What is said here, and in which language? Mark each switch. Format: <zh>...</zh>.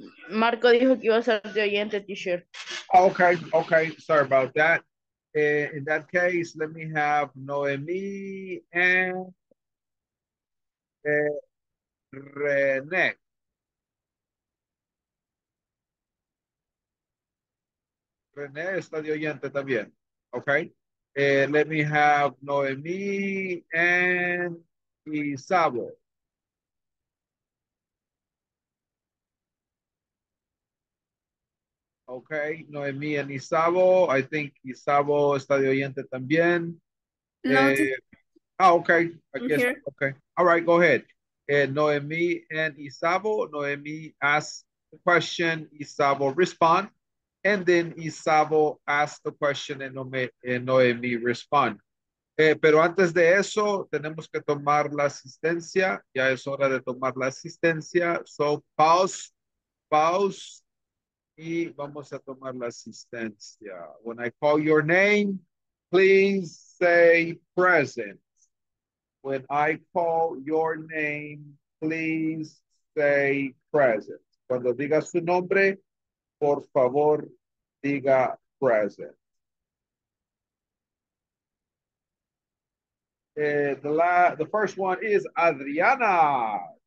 <es>Marco dijo que iba a ser de oyente, teacher.</es> <en>Okay, okay, sorry about that. In that case, let me have Noemi and René.</en> <es>René está de oyente también,</es> <en>okay? Let me have Noemi and Isabel. Okay, Noemi and Isabo. I think Isabo</en> <es>está de oyente también. No,</es> <en>okay. Okay. All right, go ahead. Noemi and Isabo. Noemi ask the question, Isabo respond. And then Isabo ask the question and Noemi respond.</en> <es>Pero antes de eso, tenemos que tomar la asistencia. Ya es hora de tomar la asistencia.</es> <en>So pause.</en> <es>Y vamos a tomar la asistencia.</es> <en>When I call your name, please say present. When I call your name, please say present.</en> <es>Cuando diga su nombre, por favor, diga present.</es> <en>The first one is Adriana.</en>